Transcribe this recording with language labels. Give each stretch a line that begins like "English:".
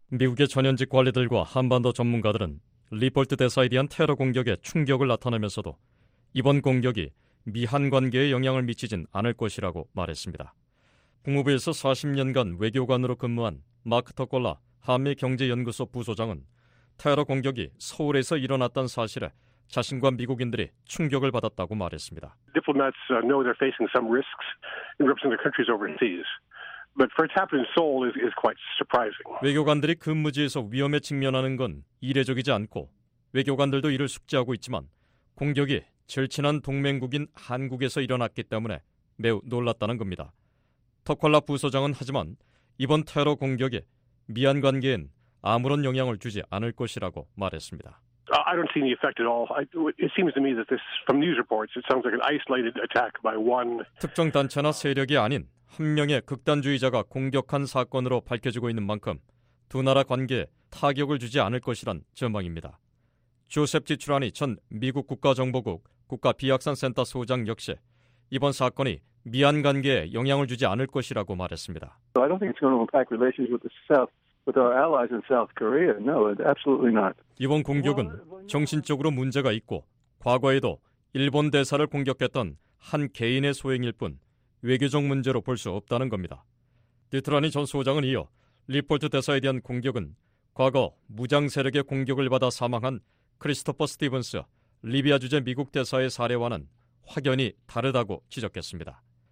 Korean: 미국의 전현직 관리들과 한반도 전문가들은 리퍼트 대사에 대한 테러 공격에 충격을 나타내면서도 이번 공격이 미한 관계에 영향을 미치진 않을 것이라고 말했습니다. 국무부에서 40년간 외교관으로 근무한 마크 터콜라 한미경제연구소 부소장은 테러 공격이 서울에서 일어났던 사실에 자신과 미국인들이 충격을 받았다고 말했습니다.
English: Diplomats know they're facing some risks in representing their countries overseas. But for it to happen in Seoul is quite surprising.
Korean: 외교관들이 근무지에서 위험에 직면하는 건 이례적이지 않고 외교관들도 이를 숙지하고 있지만 공격이 절친한 동맹국인 한국에서 일어났기 때문에 매우 놀랐다는 겁니다. 터콜라 부소장은 하지만 이번 테러 공격이 미한 관계엔 아무런 영향을 주지 않을 것이라고 말했습니다.
English: I don't see any effect at all. It seems to me that this from news reports it sounds like an isolated attack by one
Korean: 특정 단체나 세력이 아닌 한 명의 극단주의자가 공격한 사건으로 밝혀지고 있는 만큼 두 나라 관계에 타격을 주지 않을 것이란 전망입니다. 조셉 지출하니 전 미국 국가정보국 국가비확산센터 소장 역시 이번 사건이 미안 관계에 영향을 주지 않을 것이라고 말했습니다.
English: So I don't think it's going to impact relations with the South, with our allies in South Korea. No, absolutely not.
Korean: 이번 공격은 정신적으로 문제가 있고 과거에도 일본 대사를 공격했던 한 개인의 소행일 뿐 외교적 문제로 볼 수 없다는 겁니다. 디트라니 전 소장은 이어 리폴트 대사에 대한 공격은 과거 무장 세력의 공격을 받아 사망한 크리스토퍼 스티븐스 리비아 주재 미국 대사의 사례와는 확연히 다르다고 지적했습니다.